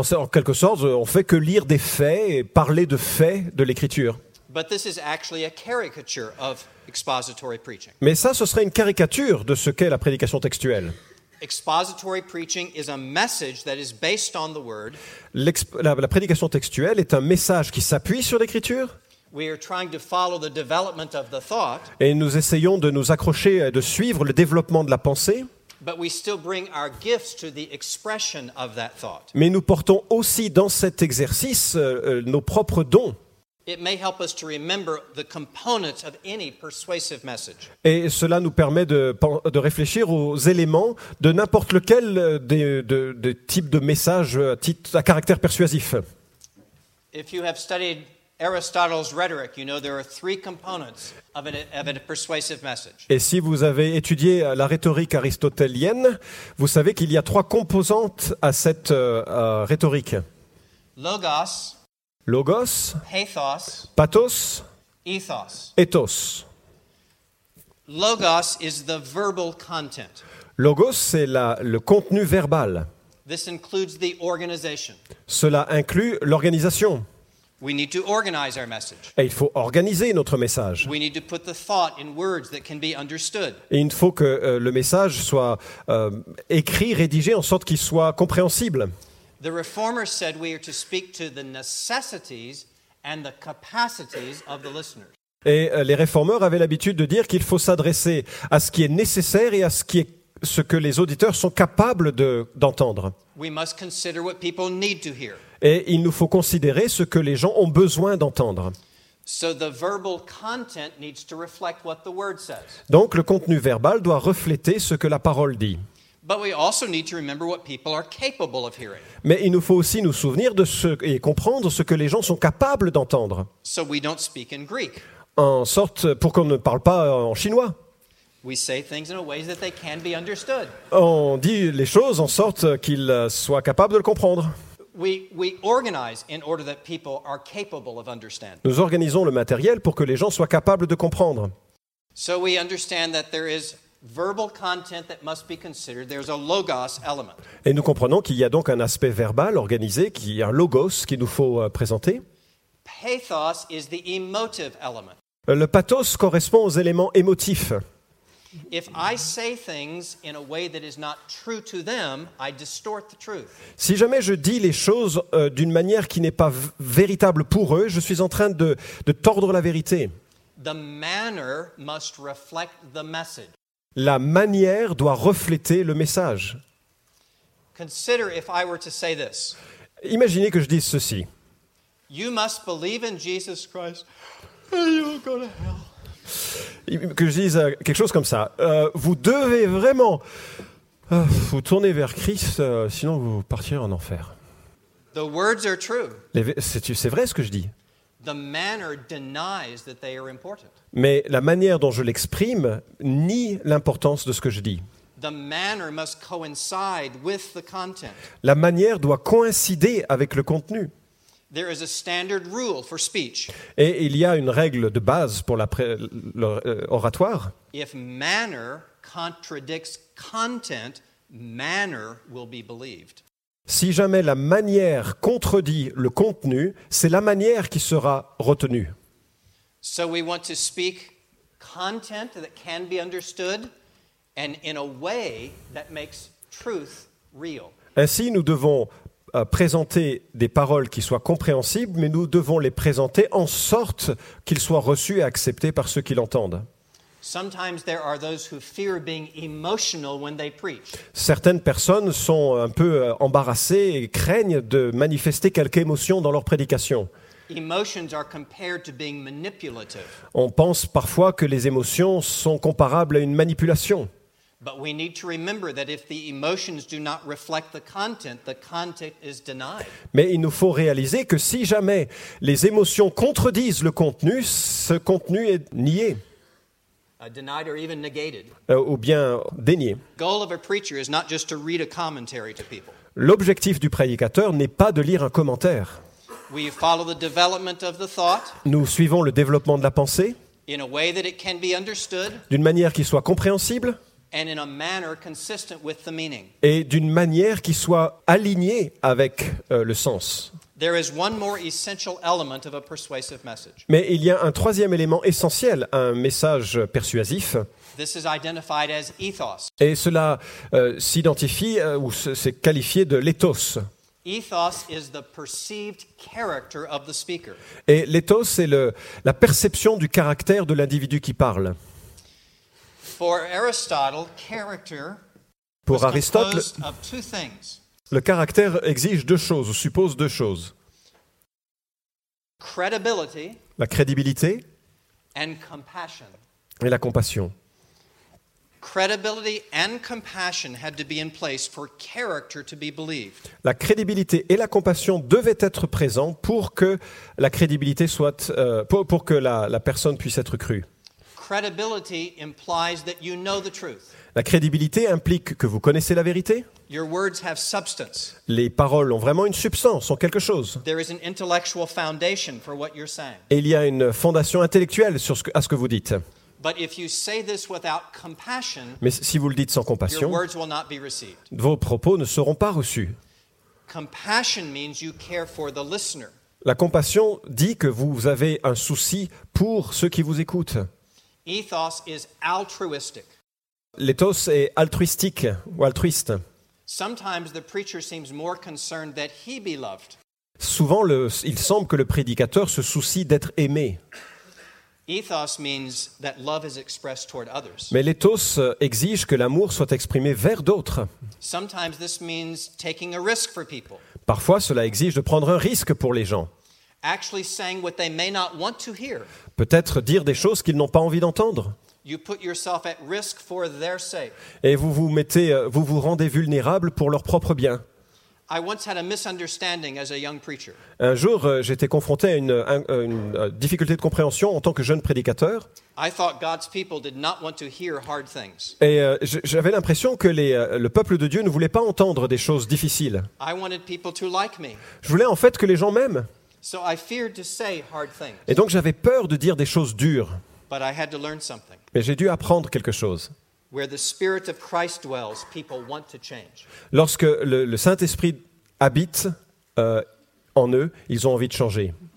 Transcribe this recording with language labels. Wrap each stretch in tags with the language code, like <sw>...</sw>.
<fr>En quelque sorte, on ne fait que lire des faits et parler de faits de l'écriture.</fr> <en>But this is actually a caricature of expository preaching.</en> <fr>Mais ça, ce serait une caricature de ce qu'est la prédication textuelle.</fr> <en>Expository preaching is a message that is based on the word.</en> <fr>La prédication textuelle est un message qui s'appuie sur l'écriture.</fr> <en>We are trying to follow the development of the thought.</en> <fr>Et nous essayons de nous accrocher et de suivre le développement de la pensée.</fr> <en>But we still bring our gifts to the expression of that thought.</en> <fr>Mais nous portons aussi dans cet exercice nos propres dons.</fr> <en>It may help us to remember the components of any persuasive message.</en> <fr>Et cela nous permet de réfléchir aux éléments de n'importe lequel des types de messages à caractère persuasif.</fr> <en>If you have studied Aristotle's rhetoric, you know there are three components of a persuasive message.</en> <fr>Et si vous avez étudié la rhétorique aristotélienne, vous savez qu'il y a trois composantes à cette rhétorique.</fr> <en>Logos.</en> <fr>Logos,</fr> <en>pathos,</en> <fr>pathos,</fr> <en>ethos.</en> <fr>Ethos.</fr> <en>Logos is the verbal content.</en> <fr>Logos, c'est le contenu verbal.</fr> <en>This includes the organization.</en> <fr>Cela inclut l'organisation.</fr> <en>We need to organize our message.</en> <fr>Et il faut organiser notre message.</fr> <en>We need to put the thought in words that can be understood.</en> <fr>Et il faut que le message soit écrit, rédigé en sorte qu'il soit compréhensible.</fr> <en>The reformer said we are to speak to the necessities and the capacities of the listeners.</en> <fr>Et les réformeurs avaient l'habitude de dire qu'il faut s'adresser à ce qui est nécessaire et à ce que les auditeurs sont capables d'entendre.</fr> <en>We must consider what people need to hear.</en> <fr>Et il nous faut considérer ce que les gens ont besoin d'entendre.</fr> <en>So the verbal content needs to reflect what the word says.</en> <fr>Donc le contenu verbal doit refléter ce que la parole dit.</fr> <en>But we also need to remember what people are capable of hearing.</en> <fr>Mais il nous faut aussi nous souvenir de ce et comprendre ce que les gens sont capables d'entendre.</fr> <en>So we don't speak in Greek.</en> <fr>En sorte pour qu'on ne parle pas en chinois.</fr> <en>We say things in a way that they can be understood.</en> <fr>On dit les choses en sorte qu'ils soient capables de le comprendre.</fr> <en>We organize in order that people are capable of understanding.</en> <fr>Nous organisons le matériel pour que les gens soient capables de comprendre.</fr> <en>So we understand that there is verbal content that must be considered. There's a logos element.</en> <fr>Et nous comprenons qu'il y a donc un aspect verbal organisé, qu'il y a un logos qu'il nous faut présenter.</fr> <en>Pathos is the emotive element.</en> <fr>Le pathos correspond aux éléments émotifs.</fr> <en>If I say things in a way that is not true to them, I distort the truth.</en> <fr>Si jamais je dis les choses d'une manière qui n'est pas véritable pour eux, je suis en train de tordre la vérité.</fr> <en>The manner must reflect the message.</en> <fr>La manière doit refléter le message.</fr> <en>Consider if I were to say this.</en> <fr>Imaginez que je dise ceci.</fr> <en>You must believe in Jesus Christ and you will go to hell.</en> <fr>Que je dise quelque chose comme ça. Vous devez vraiment vous tourner vers Christ, sinon vous partirez en enfer.</fr> <en>The words are true.</en> <fr>C'est vrai ce que je dis.</fr> <en>The manner denies that they are important.</en> <fr>Mais la manière dont je l'exprime nie l'importance de ce que je dis.</fr> <en>The manner must coincide with the content.</en> <fr>La manière doit coïncider avec le contenu.</fr> <en>There is a standard rule for speech.</en> <fr>Et il y a une règle de base pour l'oratoire.</fr> <en>If manner contradicts content, manner will be believed.</en> <fr>Si jamais la manière contredit le contenu, c'est la manière qui sera retenue.</fr> <en>So we want to speak content that can be understood and in a way that makes truth real.</en> <fr>Ainsi, nous devons présenter des paroles qui soient compréhensibles, mais nous devons les présenter en sorte qu'ils soient reçus et acceptés par ceux qui l'entendent.</fr> <en>Sometimes there are those who fear being emotional when they preach.</en> <fr>Certaines personnes sont un peu embarrassées et craignent de manifester quelque émotion dans leur prédication.</fr> <en>Emotions are compared to being manipulative.</en> <fr>On pense parfois que les émotions sont comparables à une manipulation.</fr> <en>But we need to remember that if the emotions do not reflect the content is denied.</en> <fr>Mais il nous faut réaliser que si jamais les émotions contredisent le contenu, ce contenu est nié.</fr> <en>Denied or even negated.</en> <fr>Ou bien dénié.</fr> <en>Goal of a preacher is not just to read a commentary to people.</en> <fr>L'objectif du prédicateur n'est pas de lire un commentaire.</fr> <en>We follow the development of the thought.</en> <fr>Nous suivons le développement de la pensée.</fr> <en>In a way that it can be understood.</en> <fr>D'une manière qui soit compréhensible.</fr> <en>And in a manner consistent with the meaning.</en> <fr>Et d'une manière qui soit alignée avec le sens.</fr> <en>There is one more essential element of a persuasive message.</en> <fr>Mais il y a un troisième élément essentiel à un message persuasif.</fr> <en>This is identified as ethos.</en> <fr>Et cela s'identifie ou c'est qualifié de l'éthos.</fr> <en>Ethos is the perceived character of the speaker.</en> <fr>Et l'éthos est la perception du caractère de l'individu qui parle.</fr> <en>For Aristotle, character</en> <fr>Pour Aristote, le caractère exige deux choses, ou suppose deux choses.</fr> <en>Credibility,</en> <fr>la crédibilité</fr> <en>and compassion.</en> <fr>Et la compassion.</fr> <en>Credibility and compassion had to be in place for character to be believed.</en> <fr>La crédibilité et la compassion devaient être présents pour que la crédibilité soit pour que la personne puisse être crue.</fr> <en>Credibility implies that you know the truth.</en> <fr>La crédibilité implique que vous connaissez la vérité.</fr> <en>Your words have substance.</en> <fr>Les paroles ont vraiment une substance, ont quelque chose.</fr> <en>There is an intellectual foundation for what you're saying.</en> <fr>Et il y a une fondation intellectuelle à ce que vous dites.</fr> <en>But if you say this without compassion,</en> <fr>Mais si vous le dites sans compassion,</fr> <en>your words will not be received.</en> <fr>Vos propos ne seront pas reçus.</fr> <en>Compassion means you care for the listener.</en> <fr>La compassion dit que vous avez un souci pour ceux qui vous écoutent.</fr> <en>Ethos is altruistic.</en> <fr>L'éthos est altruistique ou altruiste.</fr> <en>Sometimes the preacher seems more concerned that he be loved.</en> <fr>Souvent, il semble que le prédicateur se soucie d'être aimé.</fr> <en>Ethos means that love is expressed toward others.</en> <fr>Mais l'éthos exige que l'amour soit exprimé vers d'autres.</fr> <en>Sometimes this means taking a risk for people.</en> <fr>Parfois, cela exige de prendre un risque pour les gens.</fr> <en>Actually saying what they may not want to hear.</en> <fr>Peut-être dire des choses qu'ils n'ont pas envie d'entendre.</fr> <en>You put yourself at risk for their sake.</en> <fr>Et vous vous rendez vulnérable pour leur propre bien.</fr> <en>I once had a misunderstanding as a young preacher.</en> <fr>Un jour, j'étais confronté à une difficulté de compréhension en tant que jeune prédicateur.</fr> <en>I thought God's people did not want to hear hard things.</en> <fr>Et j'avais l'impression que le peuple de Dieu ne voulait pas entendre des choses difficiles.</fr> <en>I wanted people to like me.</en> <fr>Je voulais en fait que les gens m'aiment.</fr> <en>So I feared to say hard things.</en> <fr>Et donc j'avais peur de dire des choses dures.</fr> <en>But I had to learn something.</en> <fr>Mais j'ai dû apprendre quelque chose.</fr> <en>Where the Spirit of Christ dwells, people want to change.</en> <fr>Lorsque le Saint-Esprit habite en eux, ils ont envie de changer.</fr>